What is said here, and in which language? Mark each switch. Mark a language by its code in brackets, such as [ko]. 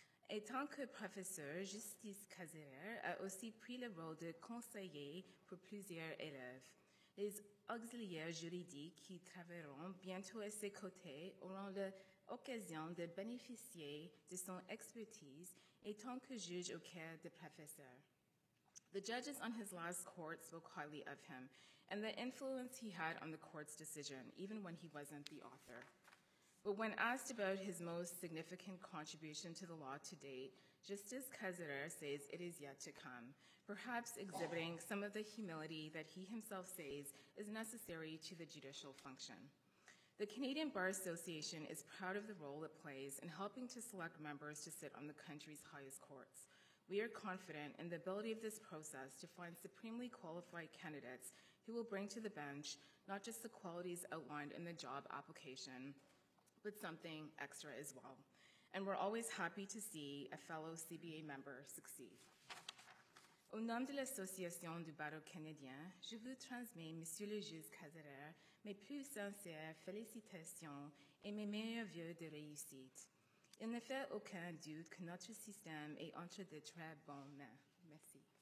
[fr] Étant que professeur, Justice Cazirère a aussi pris le rôle de conseiller pour plusieurs élèves. Les auxiliaires juridiques qui travailleront bientôt à ses côtés auront l'occasion de bénéficier de son expertise étant que juge au cœur de professeur. [en] The judges on his last court spoke highly of him and the influence he had on the court's decision, even when he wasn't the author. But when asked about his most significant contribution to the law to date, Justice Cazirère says it is yet to come, perhaps exhibiting some of the humility that he himself says is necessary to the judicial function. The Canadian Bar Association is proud of the role it plays in helping to select members to sit on the country's highest courts. We are confident in the ability of this process to find supremely qualified candidates who will bring to the bench not just the qualities outlined in the job application, but something extra as well. And we're always happy to see a fellow CBA member succeed. [fr] Au nom de l'Association du Barreau canadien, je vous transmets, Monsieur le juge Cazareur, mes plus sincères félicitations et mes meilleurs vœux de réussite. Il ne fait aucun doute que notre système est entre de très bonnes mains. Merci.